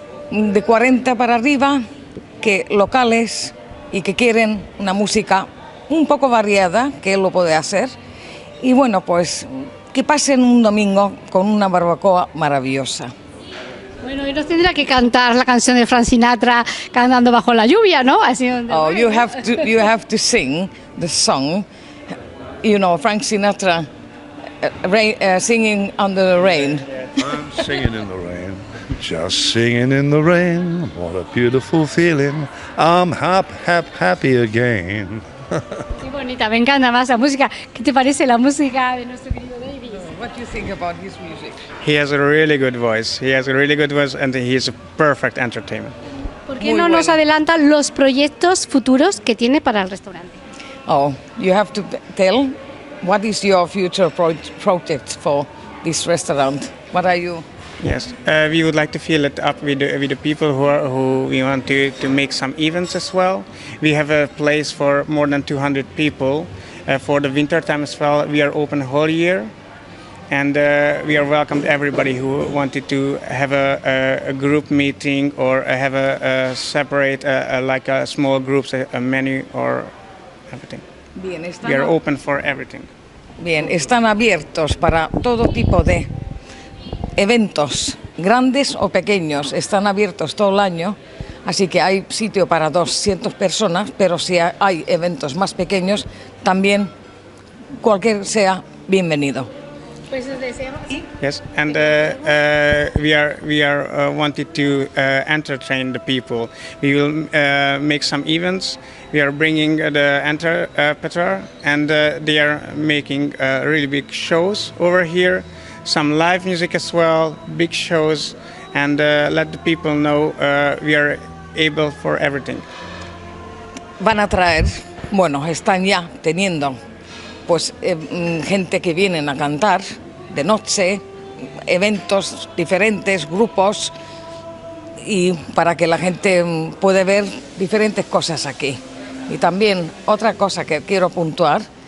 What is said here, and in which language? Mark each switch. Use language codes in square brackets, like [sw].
[es] De 40 para arriba, que locales y que quieren una música un poco variada, que él lo puede hacer. Y bueno, pues que pasen un domingo con una barbacoa maravillosa. Bueno, y nos tendrá que cantar la canción de Frank Sinatra cantando bajo la lluvia, ¿no? Así donde [en] oh, you have to sing the song, you know, Frank Sinatra singing under the rain. I'm singing in the rain, just singing in the rain. What a beautiful feeling, I'm happy again. [es] Qué bonita, me encanta más la música. ¿Qué te parece la música de nuestro querido Davy? [en] No, what do you think about his music? He has a really good voice. He has a really good voice and he is a perfect entertainment. [es] ¿Por qué no nos adelanta los proyectos futuros que tiene para el restaurante? [en] Oh, you have to tell what is your future project for this restaurant. What are you? Yes, we would like to fill it up with the people who we want to make some events as well. We have a place for more than 200 people for the winter time as well. We are open whole year, and we are welcomed everybody who wanted to have a group meeting or have a separate like a small groups a menu or everything. [es] Bien, están [en] we are open for everything. [es] Bien, están abiertos para todo tipo de eventos, grandes o pequeños, están abiertos todo el año, así que hay sitio para 200 personas, pero si hay eventos más pequeños, también cualquier sea bienvenido. Pues deseamos. [en] Yes, and we are wanted to entertain the people. We will make some events. We are bringing the entrepreneur and they are making really big shows over here. Some live music as well, big shows, and let the people know we are able for everything. [es] Van a traer, bueno, están ya teniendo, pues gente que vienen a cantar de noche, eventos diferentes, grupos, y para que la gente pueda ver diferentes cosas aquí. Y también otra cosa que quiero puntuar